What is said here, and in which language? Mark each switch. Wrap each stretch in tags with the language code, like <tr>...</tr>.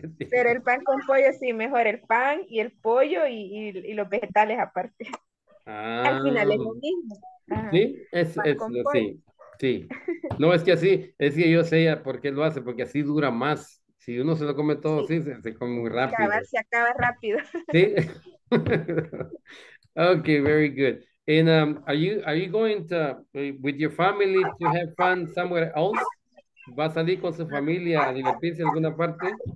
<es>pero el pan con pollo sí, mejor el pan y el pollo y los vegetales aparte. Ah. Al final es lo mismo. Ajá. Sí, es lo sí. Sí. No, es que así, es que yo sé ya por qué lo hace, porque así dura más. Si uno se lo come todo, sí, se come muy rápido. Se acaba rápido. Sí.</es> <en>Okay, very good. And are you going to with your family to have fun somewhere else?</en> <es>¿Va a salir con su familia a divertirse en alguna parte?</es>